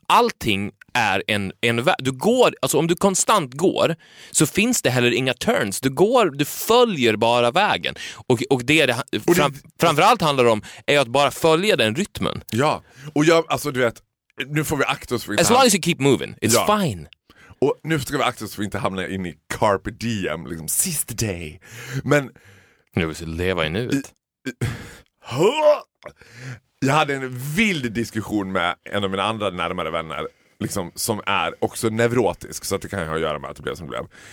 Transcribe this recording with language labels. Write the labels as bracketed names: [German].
[Swedish] Allting är en väg. Du går, alltså om du konstant går så finns det heller inga turns. Du går, du följer bara vägen. Och framförallt handlar det om är att bara följa den rytmen. Ja, och jag, alltså du vet, nu får vi akta oss för inte... [English] As long as you keep moving, it's fine. [Swedish] Och nu ska vi akta oss för inte hamna in i carpe diem, liksom sista day. Men... Nu vill jag leva i nuet. Jag hade en vild diskussion med en av mina andra närmare vänner liksom, som är också neurotisk, så att det kan ha att göra med att det blev som det blev.